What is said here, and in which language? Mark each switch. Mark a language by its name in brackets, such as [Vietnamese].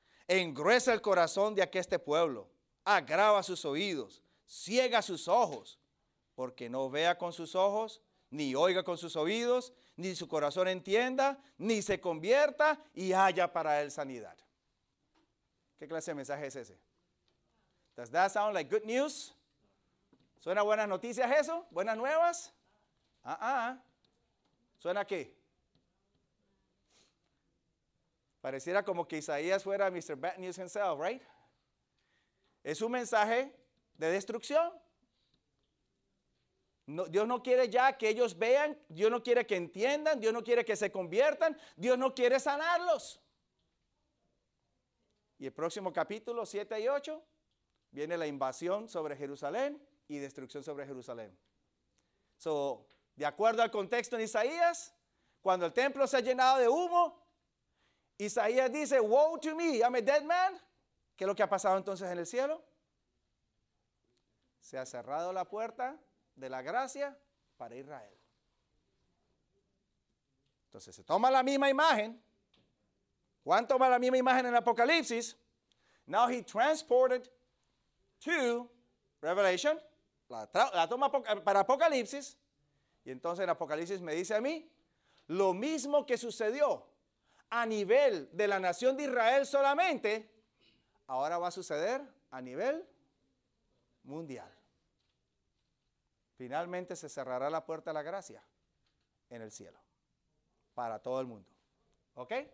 [Spanish] Engruesa el corazón de aquel pueblo, agrava sus oídos, ciega sus ojos, porque no vea con sus ojos, ni oiga con sus oídos, ni su corazón entienda, ni se convierta y haya para él sanidad. ¿Qué clase de mensaje es ese? [English] Does that sound like good news? [Spanish] ¿Suena buenas noticias eso? ¿Buenas nuevas? ¿Suena qué? Pareciera como que Isaías fuera [English] Mr. Bad News himself, right? [Spanish] Es un mensaje de destrucción. No, Dios no quiere ya que ellos vean, Dios no quiere que entiendan, Dios no quiere que se conviertan, Dios no quiere sanarlos. Y el próximo capítulo, 7 y 8, viene la invasión sobre Jerusalén y destrucción sobre Jerusalén. So, de acuerdo al contexto en Isaías, cuando el templo se ha llenado de humo, Isaías dice, [English] woe to me, I'm a dead man. [Spanish] ¿Qué es lo que ha pasado entonces en el cielo? Se ha cerrado la puerta de la gracia para Israel. Entonces se toma la misma imagen. Juan toma la misma imagen en Apocalipsis. [English] Now he transported to Revelation. [Spanish] La toma para Apocalipsis. Y entonces en Apocalipsis me dice a mí, lo mismo que sucedió a nivel de la nación de Israel solamente, ahora va a suceder a nivel mundial. Finalmente se cerrará la puerta a la gracia en el cielo para todo el mundo. ¿Ok?